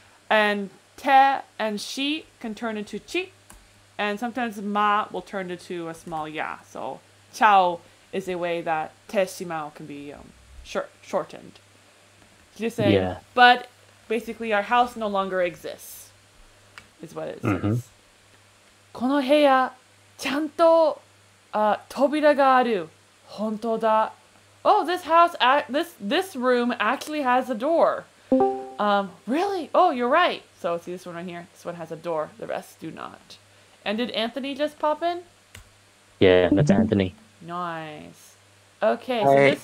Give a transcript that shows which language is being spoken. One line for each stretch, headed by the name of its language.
English: And te and shi can turn into chi, and sometimes ma will turn into a small ya. So chao is a way that te shimao can be shortened. She's just saying, but basically our house no longer exists, is what it says.
Japanese: この部屋ちゃんと扉がある。本当だ。
English: Oh, this house, this room actually has a door. Really? Oh, you're right. So see this one right here? This one has a door. The rest do not. And did Anthony just pop in? Yeah, that's Anthony. Nice. Okay.